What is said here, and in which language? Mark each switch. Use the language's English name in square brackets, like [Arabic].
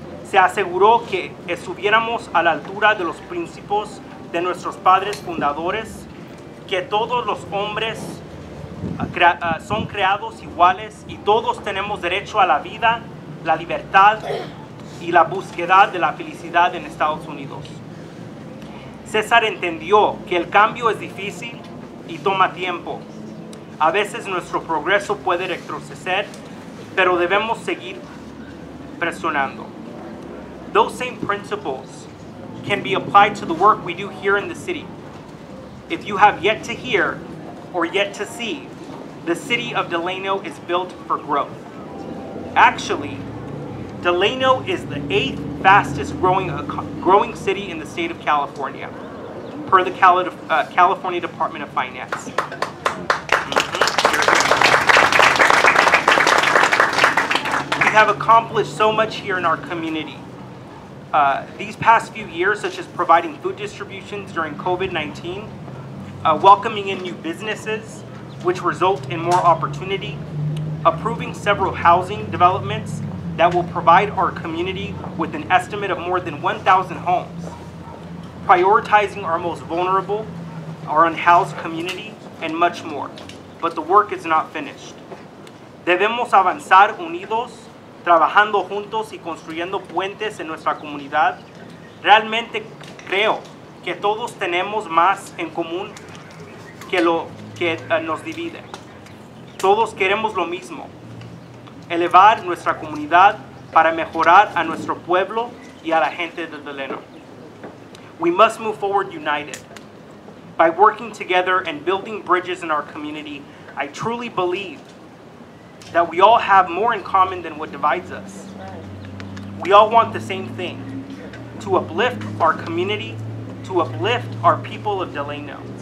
[Spanish] Se aseguró que estuviéramos a la altura de los principios de nuestros padres fundadores, que todos los hombres son creados iguales y todos tenemos derecho a la vida, la libertad y la búsqueda de la felicidad en Estados Unidos. César entendió que el cambio es difícil y toma tiempo. A veces nuestro progreso puede retroceder, pero debemos seguir presionando. [English] Those same principles can be applied to the work we do here in the city. If you have yet to hear or yet to see, the city of Delano is built for growth. Actually, Delano is the eighth fastest growing city in the state of California, per the California Department of Finance. We have accomplished so much here in our community, these past few years, such as providing food distributions during COVID-19, welcoming in new businesses, which result in more opportunity, approving several housing developments that will provide our community with an estimate of more than 1,000 homes, prioritizing our most vulnerable, our unhoused community, and much more. But the work is not finished. [Spanish] Debemos avanzar unidos, trabajando juntos y construyendo puentes en nuestra comunidad. Realmente creo que todos tenemos más en común que lo que nos divide. Todos queremos lo mismo, elevar nuestra comunidad para mejorar a nuestro pueblo y a la gente de Delano. [English] We must move forward united. By working together and building bridges in our community, I truly believe that we all have more in common than what divides us. We all want the same thing, to uplift our community, to uplift our people of Delano.